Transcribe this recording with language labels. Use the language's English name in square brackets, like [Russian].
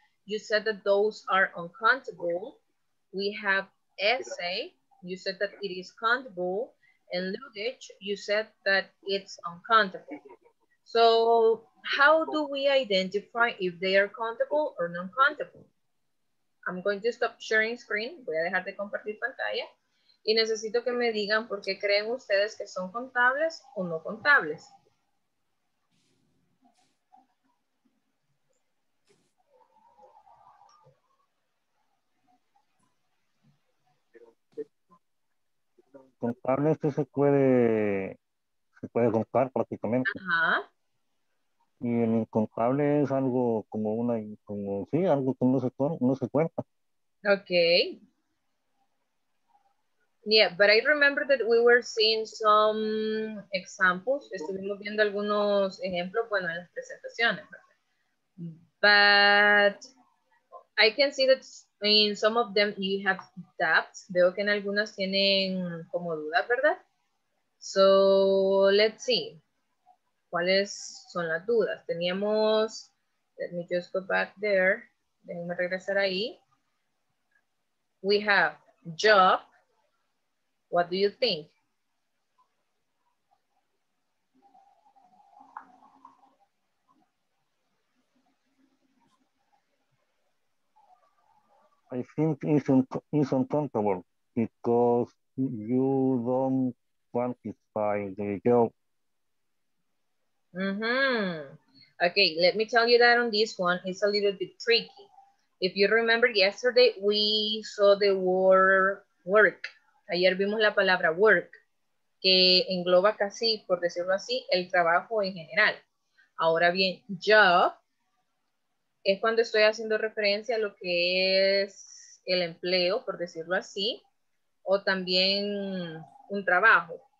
[English] You said that those are uncountable. We have essay, you said that it is countable, and luggage, you said that it's uncountable. So how do we identify if they are countable or non-countable? I'm going to stop sharing screen. [Spanish] Voy a dejar de compartir pantalla. Y necesito que me digan por qué creen ustedes que son contables o no contables. Contables se puede contar prácticamente. Ajá. Y el incontable es algo como una, como sí, algo que no se cuenta. [English] Okay. Yeah, but I remember that we were seeing some examples. [Spanish] Estuvimos viendo algunos ejemplos, bueno, en las presentaciones. [English] But I can see that in some of them you have doubts. [Spanish] Veo que en algunas tienen como dudas, ¿verdad? [English] So let's see. [Spanish] ¿Cuáles son las dudas? Teníamos, [English] let me just go back there, [Spanish] déjenme regresar ahí. [English] We have job. What do you think? I think it's uncomfortable because you don't quantify the job. Mm-hmm. Okay, let me tell you that on this one, it's a little bit tricky. If you remember yesterday, we saw the word work. [Spanish] Ayer vimos la palabra work, que engloba casi, por decirlo así, el trabajo en general. Ahora bien, job es cuando estoy haciendo referencia a lo que es el empleo, por decirlo así, o también un trabajo.